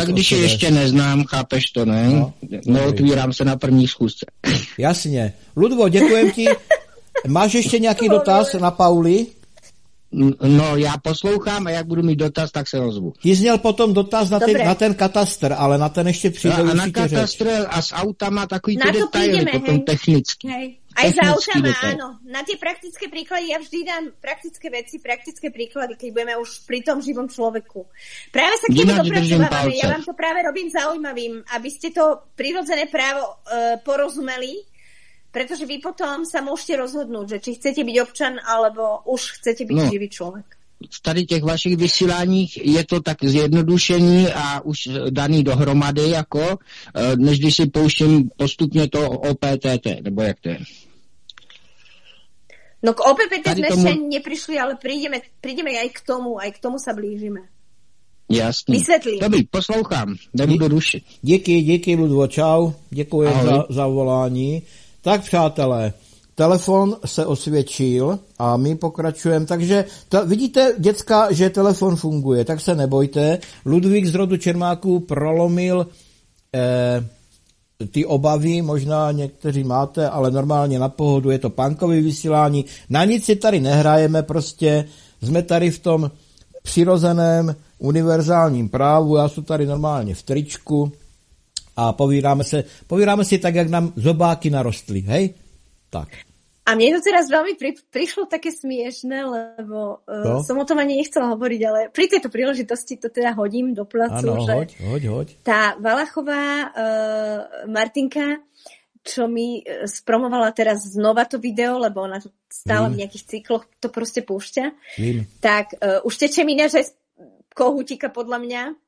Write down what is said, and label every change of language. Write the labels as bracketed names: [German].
[Czech] Tak když ještě neznám, chápeš to, ne? No, neotvírám se na první schůzce. Jasně. Ludvo, děkujem ti. Máš ještě nějaký dotaz na Pauli? No, já poslouchám a jak budu mít dotaz, tak se ozvu. Jsi měl potom dotaz na, na ten katastr, ale na ten ještě přijde a na katastr řeč. A s autama takový ty detaily, [Slovak] prídeme, potom hej. [Czech] Technicky. [Slovak] A s autama, áno. Na tie praktické príklady, ja vždy dám praktické veci, praktické príklady, keď budeme už pri tom živom človeku. Práve sa k tým dopracovávame. Ja vám to práve robím zaujímavým, aby ste to prirodzené právo porozumeli, pretože vy potom sa môžete rozhodnúť, že či chcete byť občan, alebo už chcete byť živý človek. [Czech] V tady těch vašich vysíláních je to tak zjednodušení a už daný dohromady, jako, než když si pouštím postupně to OPTT, nebo jak to je? [Slovak] No k OPTT tady jsme ještě neprišli, ale prídeme aj k tomu [Czech] se blížíme. Jasný. Vysvětlím. Dobrý, poslouchám, nebudu rušit. Díky, Ludvo, čau, děkuji za volání. Tak přátelé, telefon se osvědčil a my pokračujeme, takže vidíte, děcka, že telefon funguje, tak se nebojte. Ludvík z rodu Čermáků prolomil ty obavy, možná někteří máte, ale normálně na pohodu, je to punkový vysílání. Na nic si tady nehrajeme, prostě jsme tady v tom přirozeném univerzálním právu, já jsem tady normálně v tričku a povídáme si tak, jak nám zobáky narostly, hej? Tak. [Slovak] A mne to teraz veľmi prišlo také smiešné, lebo som o tom ani nechcela hovoriť, ale pri tejto príležitosti to teda hodím do placu. Áno, hoď. Tá Valachová Martinka, čo mi spromovala teraz znova to video, lebo ona to stále v nejakých cykloch to proste púšťa, tak už teče mi ináč aj z kohútika podľa mňa.